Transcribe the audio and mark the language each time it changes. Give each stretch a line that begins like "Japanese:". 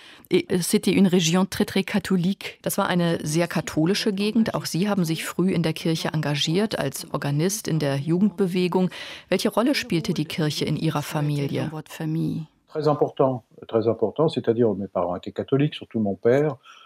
French: C'était une région très très catholique.
German: Das war eine sehr katholische Gegend. Auch Sie haben sich früh in der Kirche engagiert, als Organist in der Jugendbewegung. Welche Rolle spielte die Kirche in Ihrer Familie?
French: Très important, c'est-à-dire mes parents étaient catholiques, surtout mon père.